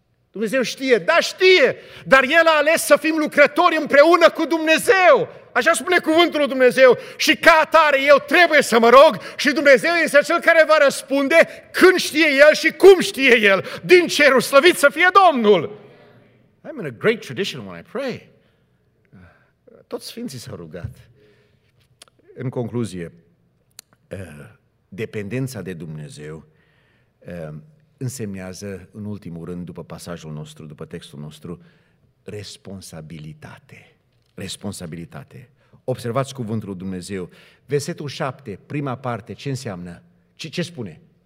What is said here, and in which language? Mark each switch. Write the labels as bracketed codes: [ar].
[ro] Dumnezeu știe, da, știe, dar El a ales să fim lucrători împreună cu Dumnezeu. Așa spune cuvântul lui Dumnezeu. Și ca atare, eu trebuie să mă rog și Dumnezeu este cel care va răspunde când știe El și cum știe El. Din cerul slăvit să fie Domnul. [en] I'm in a great tradition when I pray. [ro] Toți sfinții s-au rugat. În concluzie, dependența de Dumnezeu însemnează, în ultimul rând, după pasajul nostru, după textul nostru, responsabilitate. Responsabilitate. Observați cuvântul lui Dumnezeu. Versetul 7, prima parte, ce înseamnă? Ce spune?